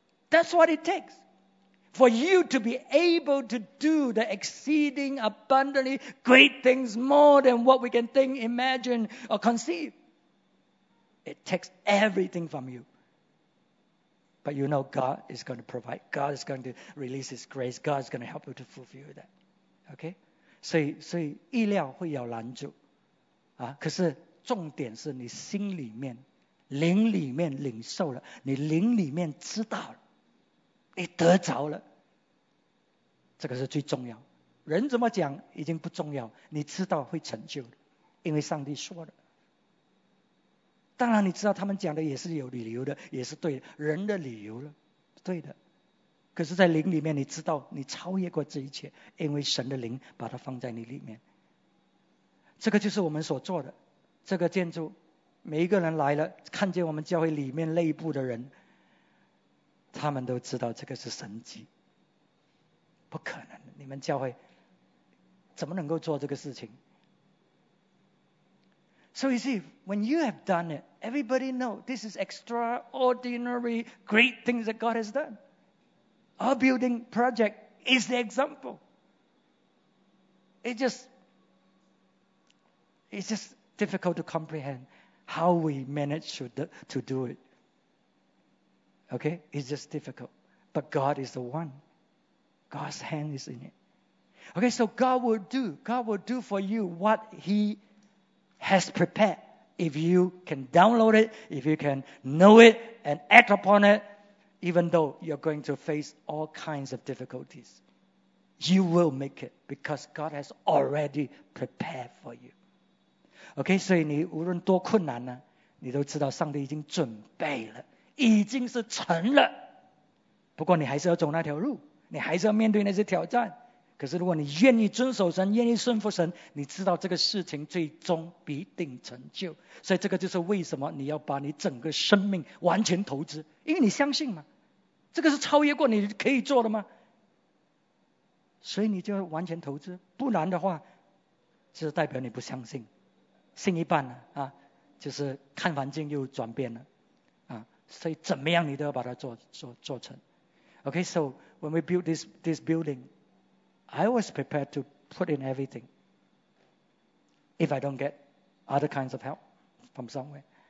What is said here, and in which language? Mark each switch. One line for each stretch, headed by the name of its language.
English: That's what it takes for you to be able to do the exceeding abundantly great things, more than what we can think, imagine, or conceive. It takes everything from you. But you know God is going to provide. God is going to release His grace. God is going to help you to fulfill that. Okay?
Chinese: 所以意料会有拦阻、啊、可是重点是你心里面灵里面领受了，你灵里面知道了，你得着了，这个是最重要。人怎么讲已经不重要，你知道会成就的，因为上帝说了。当然你知道他们讲的也是有理由的，也是对的，人的理由了，对的。可是在灵里面你知道你超越过这一切，因为神的灵把它放在你里面。这个就是我们所做的这个建筑，每一个人来了看见我们教会里面内部的人，他们都知道这个是神迹。不可能，你们教会怎么能够做这个事情？
English: So you see, when you have done it, everybody knows this is extraordinary, great things that God has done. Our building project is the example. It's just difficult to comprehend how we managed to do it. Okay? It's just difficult. But God is the one. God's hand is in it. Okay, so God will do for you what He has prepared. If you can download it, if you can know it and act upon it, even though you're going to face all kinds of difficulties, you will make it because God has already prepared for you.
Chinese: Okay, 所以你无论多困难呢，你都知道上帝已经准备了，已经是成了。不过你还是要走那条路，你还是要面对那些挑战。可是如果你愿意遵守神，愿意顺服神，你知道这个事情最终必定成就。所以这个就是为什么你要把你整个生命完全投资，因为你相信嘛，这个是超越过你可以做的吗？所以你就完全投资，不然的话就是代表你不相信，信一半了啊，就是看环境又转变了啊，所以怎么样你都要把它做成。
English: OK, so when we build this buildingI was prepared to put in everything if I don't get other kinds of help from somewhere.